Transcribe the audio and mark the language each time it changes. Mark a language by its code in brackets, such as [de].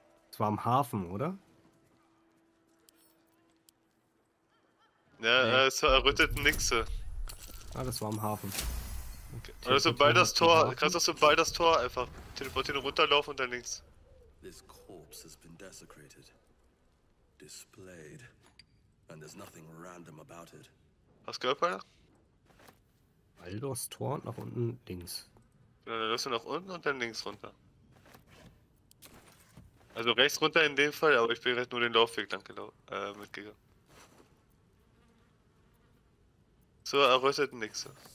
[de] Es war am Hafen, oder? Ja, nee. Es errüttet Nixe. Ah, das war am Hafen. Oder sobald das Tor, kannst du sobald das Tor einfach teleportieren und runterlaufen und dann links. [en] This corpse has been desecrated, displayed, and there's nothing random about it. [de] Hast du gehört, Alter? Baldur's Tor und nach unten links. Genau, dann läufst du nach unten und dann links runter. Also rechts runter in dem Fall, aber ich bin gerade nur den Laufweg lang mitgegangen. So, errötet nix.